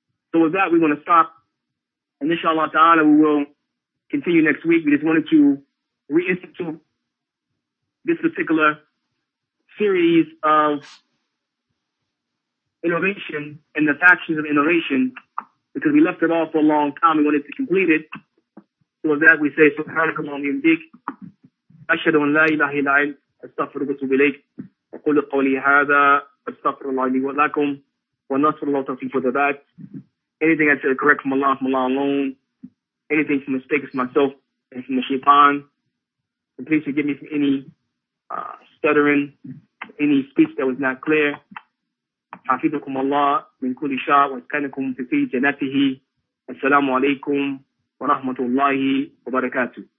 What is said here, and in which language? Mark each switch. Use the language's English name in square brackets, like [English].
[English] So with that, we're going to stop. And inshallah ta'ala, we will continue next week. We just wanted to reinstitute this particular series of innovation and the factions of innovation, because we left it off for a long time. We wanted to complete it. So with that, we say, [Arabic] Subhanaka wa bihamdik. أشهد أن لا إله إلا أنت أستغفر وأتوب إليك أقول قولي هذا أستغفر الله لي ولكم ونصر الله تعالى [English] for the bad. Anything I say correct from Allah, from Allah alone. Anything from mistakes myself and from the shaitan. And please forgive me for any stuttering, any speech that was not clear. [Arabic] حفظكم الله من كل شر واسكنكم في جنته السلام عليكم ورحمة الله وبركاته.